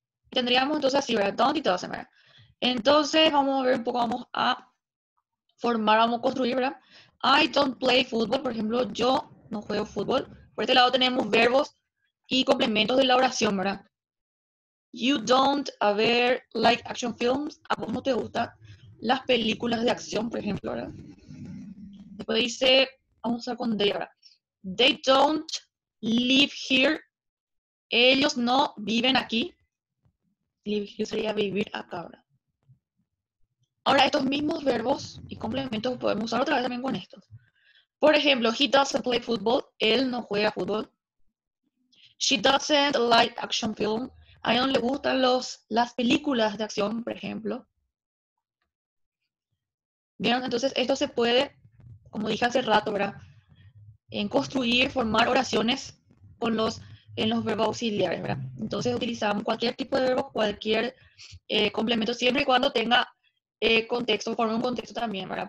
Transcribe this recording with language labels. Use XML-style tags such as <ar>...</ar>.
<es>Tendríamos entonces así, ¿verdad? Don't y doesn't, ¿verdad? Entonces, vamos a ver un poco, vamos a formar, vamos a construir, ¿verdad?</es> <en>I don't play football,</en> <es>por ejemplo, yo no juego fútbol. Por este lado tenemos verbos y complementos de la oración, ¿verdad?</es> <en>You don't,</en> <es>a ver,</es> <en>like action films.</en> <es>¿A vos no te gustan las películas de acción, por ejemplo, ¿verdad? Después dice, vamos a usar con they, ¿verdad?</es> <en>They don't live here.</en> <es>Ellos no viven aquí. Live here sería vivir acá, ¿verdad? Ahora, estos mismos verbos y complementos podemos usar otra vez también con estos. Por ejemplo,</es> <en>he doesn't play football.</en> <es>Él no juega fútbol.</es> <en>She doesn't like action film.</en> <es>A ella no le gustan las películas de acción, por ejemplo. ¿Vieron? Entonces, esto se puede, como dije hace rato, ¿verdad? En construir, formar oraciones con los verbos auxiliares, ¿verdad? Entonces, utilizamos cualquier tipo de verbo, cualquier complemento, siempre y cuando tenga contexto, forme un contexto también, ¿verdad?</es>